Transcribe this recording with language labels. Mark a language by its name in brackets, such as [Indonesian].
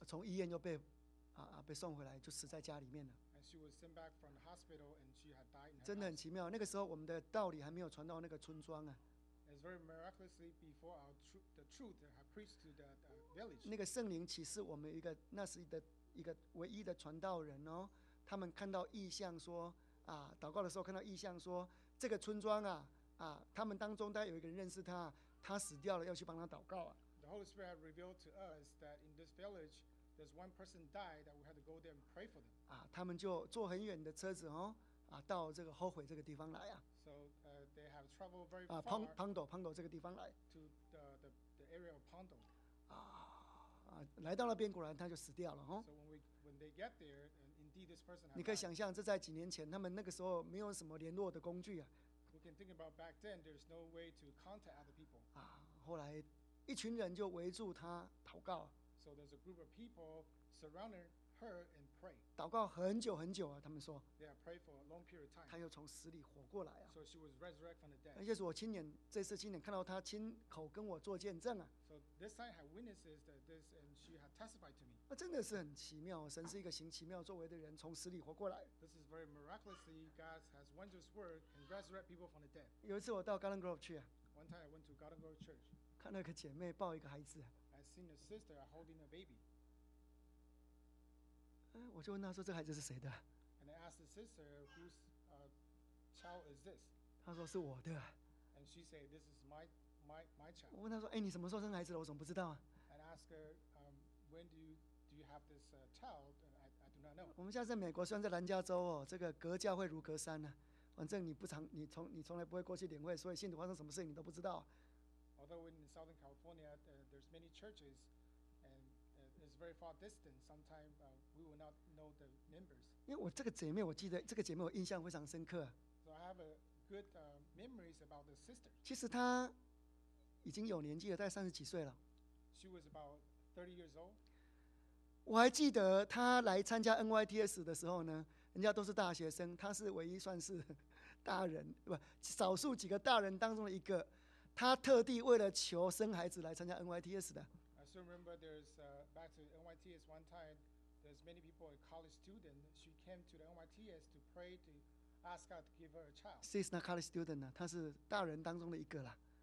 [Chinese] 从医院又被被送回来，就死在家里面了。 [English] She was sent back from the hospital, and she had died. [Chinese] 真的很奇妙。那个时候，我们的道理还没有传到那个村庄啊。 [English] It's very miraculously before our the truth had preached to that village. [Chinese] 那个圣灵启示我们一个那时的一个唯一的传道人哦，他们看到异象说啊，祷告的时候看到异象说，这个村庄啊啊，他们当中大概有一个人认识他，他死掉了，要去帮他祷告啊。 [English] The Holy Spirit revealed to us that in this village, there's one person died that we had to go there and pray for them. [Chinese] 啊，他们就坐很远的车子哦，啊，到这个后悔这个地方来啊。 [English] So they have traveled very far. [Chinese] 啊，庞斗这个地方来。 [English] To the area of Pondo. [Chinese] 啊，来到那边果然他就死掉了哦。 [English] So when they get there, indeed this person. [Chinese] 你可以想象，这在几年前，他们那个时候没有什么联络的工具啊。 [English] We can think about back then, there's no way to contact other people. [Chinese] 啊，后来一群人就围住他祷告。 [English] So there's a group of people surrounding her and pray. [Chinese] 祷告很久很久啊，他们说。 [English] They have prayed for a long period of time. [Chinese] 她又从死里活过来啊。 [English] So she was resurrected from the dead. [Chinese] 而且是我亲眼，这次亲眼看到她亲口跟我做见证啊。 [English] So this time I have witnesses that this, and she had testified to me. [Chinese] 那真的是很奇妙，神是一个行奇妙作为的人，从死里活过来。 [English] This is very miraculously God has wondrous work and resurrect people from the dead. [Chinese] 有一次我到 Garden Grove 去啊。 [English] One time I went to Garden Grove Church. [Chinese] 看那个姐妹抱一个孩子。 [English] I seen a sister holding a baby. [Chinese] 我就问她说：“这孩子是谁的？” [English] And I asked the sister, "Whose child is this?" [Chinese] 她说：“是我的。” [English] And she said, "This is my child." [Chinese] 我问她说：“哎，你什么时候生孩子的？我怎么不知道啊？” [English] And I asked her, "When do you have this child?" And I do not know. [Chinese] 我们现在在美国，虽然在南加州哦，这个隔教会如隔山呢。反正你不常，你从来不会过去领会，所以信徒发生什么事你都不知道。 [English] Although in Southern California, there's many churches, and it's very far distant. Sometimes we will not know the members. [Chinese] 因为我这个姐妹，我记得这个姐妹，我印象非常深刻。 [English] So I have a good memories about the sister. [Chinese] 其实她已经有年纪了，大概三十几岁了。 [English] She was about 30 years old. [Chinese] 我还记得她来参加 NYTS 的时候呢，人家都是大学生，她是唯一算是大人，不，少数几个大人当中的一个。她特地为了求生孩子来参加 NYTS 的。 [English] I still remember there's back to NYTS one time. There's many people, a college student. She came to the NYTS to pray to ask God to give her a child. She's not college student [Chinese] 呢，她是大人当中的一个啦。